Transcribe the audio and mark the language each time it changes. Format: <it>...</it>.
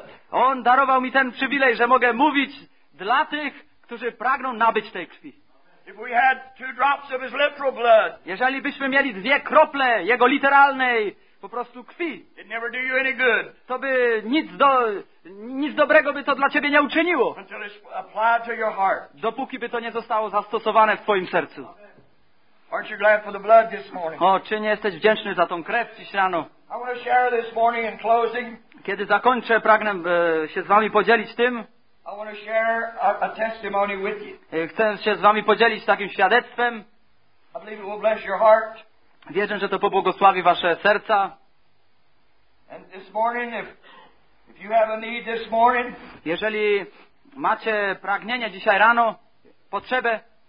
<pl>On darował mi ten przywilej, że mogę mówić dla tych, którzy pragną nabyć tej krwi.</pl> <en>If we had two drops of his literal blood,</en> <pl>jeżeli byśmy mieli dwie krople jego literalnej po prostu krwi,</pl> <en>it never do you any good.</en> <pl>To by nic dobrego by to dla ciebie nie uczyniło.</pl> <en>Until it's applied to your heart.</en> <pl>Dopóki by to nie zostało zastosowane w twoim sercu.</pl> <en>Aren't you glad for the blood this morning?</en> <pl>O, czy nie jesteś wdzięczny za tą krew dziś rano?</pl> <en>I want to share this morning in closing.</en> <pl>Kiedy zakończę, pragnę się z wami podzielić tym.</pl> <en>I want to share a testimony with you.</en> <pl>Chcę się z wami podzielić takim świadectwem.</pl> <en>I believe it will bless your heart.</en> <pl>Wierzę, że to pobłogosławi wasze serca.</pl> <en>And this morning, if you have a need this morning,</en> <pl>jeżeli macie pragnienie dzisiaj rano, potrzebę,</pl>